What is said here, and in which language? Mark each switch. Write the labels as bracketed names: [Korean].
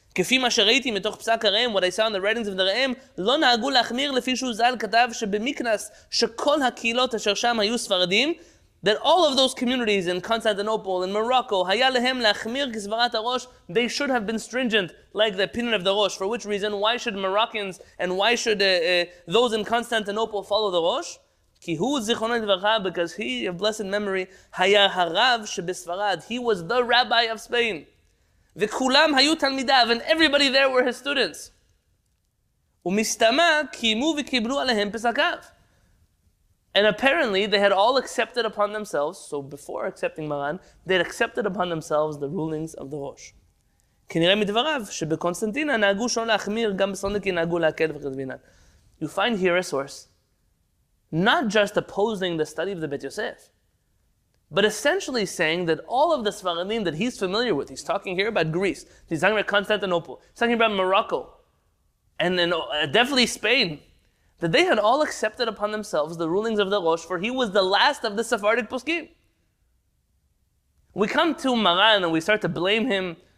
[English] What I saw in the writings of the Ra'im, [Hebrew] לא נהגו להחמיר לפי שוזל כתב שבמקנס שכל הקהילות אשר שם היו ספרדים, [English] that all of those communities in Constantinople, in Morocco, [Hebrew] היה להם להחמיר כסברת הראש, [English] they should have been stringent, like the opinion of the Rosh. For which reason? Why should Moroccans and why should those in Constantinople follow the Rosh? [Hebrew] כי הוא זיכרונו לברכה, [English] because he, of blessed memory, [Hebrew] היה הרב שבספרד. [English] He was the rabbi of Spain. [Hebrew] וכולם היו תלמידיו, [English] and everybody there were his students. [Hebrew] ומסתמה קיימו וקיבלו עליהם פסקיו. [English] And apparently, they had all accepted upon themselves, so before accepting Maran, they had accepted upon themselves the rulings of the Rosh. [Hebrew] כנראה מדבריו, שבקונסטנטינה נהגו שלא להחמיר, גם בסלוניקי נהגו להקל וכדבינן. [English] You find here a source, not just opposing the study of the Bet Yosef, but essentially saying that all of the Sfaradim that he's familiar with, he's talking here about Greece, he's talking about Constantinople, he's talking about Morocco, and then definitely Spain, that they had all accepted upon themselves the rulings of the Rosh, for he was the last of the Sephardic Poskim. We come to Maran and we start to blame him